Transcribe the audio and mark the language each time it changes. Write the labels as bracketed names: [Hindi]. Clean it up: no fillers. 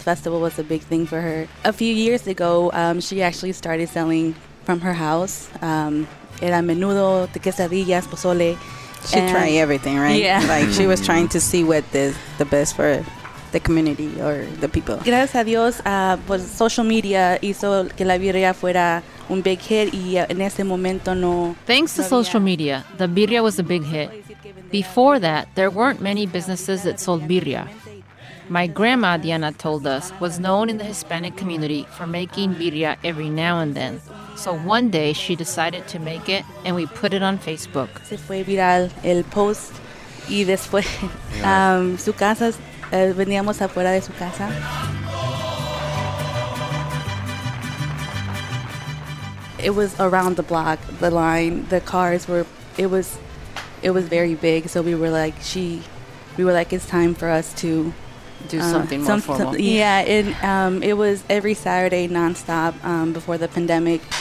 [English] Festival was a big thing for her. A few years ago, she actually started selling from her house. [Spanish] Era menudo, de quesadillas, pozole. [English] She tried everything, right? Yeah. Like, she was trying to see what is the best for the community or the people. [Spanish] Gracias a Dios, pues social media hizo que la birria fuera un [English] big hit [Spanish] y en ese momento no. [English] Thanks to social media, the birria was a big hit. Before that, there weren't many businesses that sold birria. My grandma, Diana, told us, was known in the Hispanic community for making birria every now and then. So one day, she decided to make it, and we put it on Facebook. [Spanish] Se fue viral el post, y después su casa, veníamos afuera de su casa. [English] It was around the block, the line, the cars were, it was very big. So we were like, it's time for us to do something more formal. Yeah, it was every Saturday nonstop before the pandemic.